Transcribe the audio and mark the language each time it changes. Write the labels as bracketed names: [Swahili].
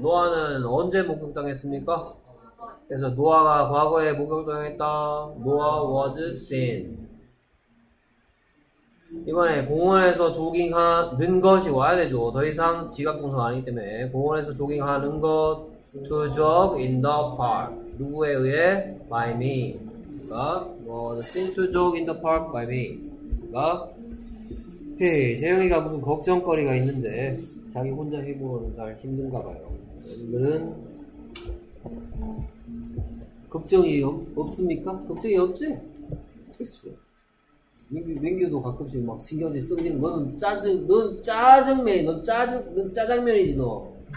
[Korean] 노아는 언제 목격 당했습니까? 그래서 노아가 과거에 목격 당했다. [English] Noah was seen. [Korean] 이번에 공원에서 조깅하는 것이 와야 되죠. 더 이상 지각동사가 아니기 때문에 공원에서 조깅하는 것. [English] To jog in the park. [Korean] 누구에 의해? [English] By me. [Korean] 그니까, [English] was seen to jog in the park by me. [Korean] 그니까, 헤이, 재영이가 무슨 걱정거리가 있는데, 자기 혼자 해보는 게 힘든가 봐요. 여러분들은, 걱정이 없습니까? 걱정이 없지? 그쵸. 맹규도 가끔씩 막 신경질 썩지는, 넌 짜장면이지, 너.